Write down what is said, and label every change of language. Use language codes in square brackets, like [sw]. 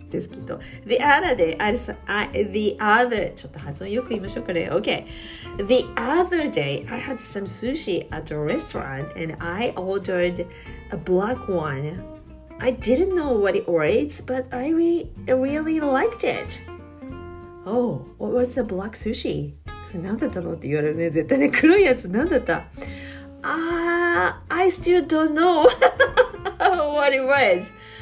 [ja] ですけど [en] The other day [ja] ちょっと発音よく言いましょうかね [en] OK The other day I had some sushi at a restaurant and I ordered a black one I didn't know what it was but I really liked it Oh, what was the black sushi? [ja] それ何だったのって言われるね。絶対ね、黒いやつ何だった。 [en] あー I still don't know what it was.